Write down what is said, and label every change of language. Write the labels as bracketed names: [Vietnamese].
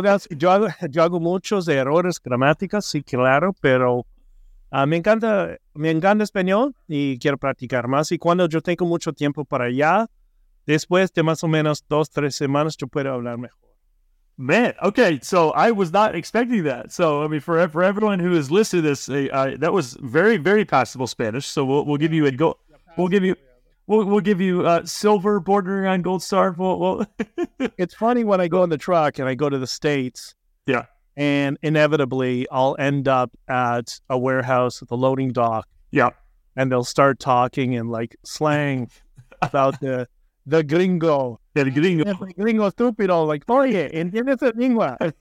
[Spanish] Yo hago muchos errores gramáticos, sí, claro, pero me encanta español y quiero practicar más. Y cuando yo tengo mucho tiempo para allá, después de más o menos 2-3 semanas, yo puedo hablar mejor. [English] Man, okay, so I was not expecting that. So, I mean, for everyone who is listening to this, that was very, very passable Spanish. So we'll give you a go. We'll give you a silver bordering on gold star. It's funny when I go in the truck and I go to the States. Yeah. And inevitably, I'll end up at a warehouse at the loading dock. Yeah. And they'll start talking in like slang about the gringo. [Spanish] El gringo. El gringo estúpido. Like, oye, ¿entiendes el lengua?